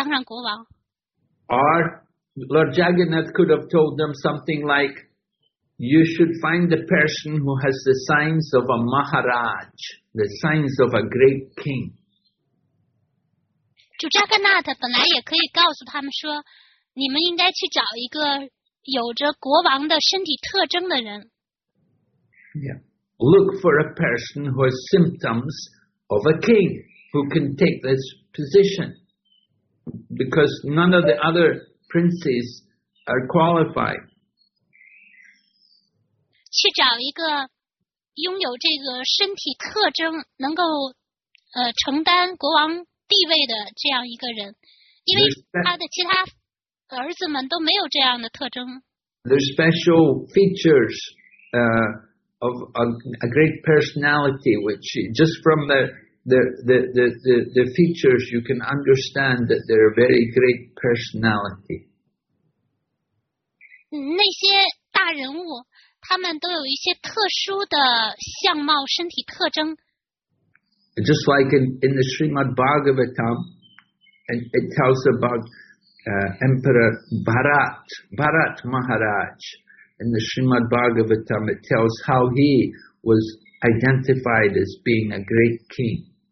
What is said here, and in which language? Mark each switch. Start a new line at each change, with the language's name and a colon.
Chinese: 这大臣们就去找主加格纳特了。主加格纳特告诉他们，我有一个奉献者，他是来自于勾尔丹的，他是一个牧牛童，他就在这里可以当上国王。Or
English: Lord Jagannath could have told them something like, you should find the person who has the signs of a Maharaj, the signs of a great king.
Chinese: 主加格纳特本来也可以告诉他们说， 你们应该去找一个有着国王的身体特征的人。Yeah.
English: Look for a person who has symptoms of a king who can take this position. Because none of the other princes are qualified.
Chinese: 去找一个拥有这个身体特征，能够承担国王地位的这样一个人，因为他的其他
English: There's special features of a great personality, which just from the the features, you can understand that they're a very great personality.
Chinese: 那些大人物，他们都有一些特殊的相貌、身体特征。
English: Just like in the Srimad Bhagavatam, and it tells about Emperor Bharat Maharaj. In the Srimad Bhagavatam, it tells how he was identified as being a great king.